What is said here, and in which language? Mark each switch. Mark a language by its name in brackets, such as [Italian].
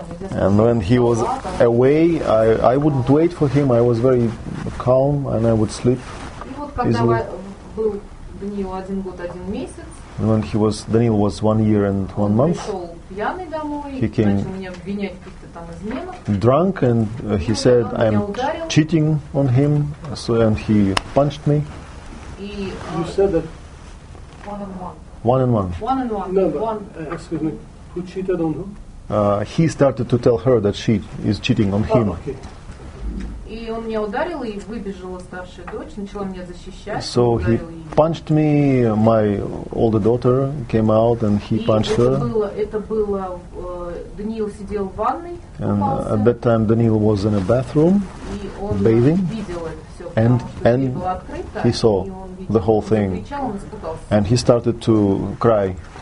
[English] And when he was away, I wouldn't wait for him. I was very calm and I would sleep. [Russian] когда был Даниил один год, один месяц. [English] When he was, Daniil was 1 year and one month. [Russian] Он пришел пьяный домой, [English] he came [Russian] начал меня обвинять в каких-то там изменах. [English] Drunk and he said, I'm cheating on him, so and he punched me. [Russian] И, [English] you said that One and one. Excuse me. Who cheated on who? He started to tell her that she is cheating on him. [Russian] И он меня ударил, и выбежала старшая дочь, начала меня защищать. [English] So he punched me. My older daughter came out and he punched her. [Russian] Это было. Даниил сидел в ванной. [English] And at that time, Daniil was in a bathroom, bathing. And he saw the whole thing, and he started to cry.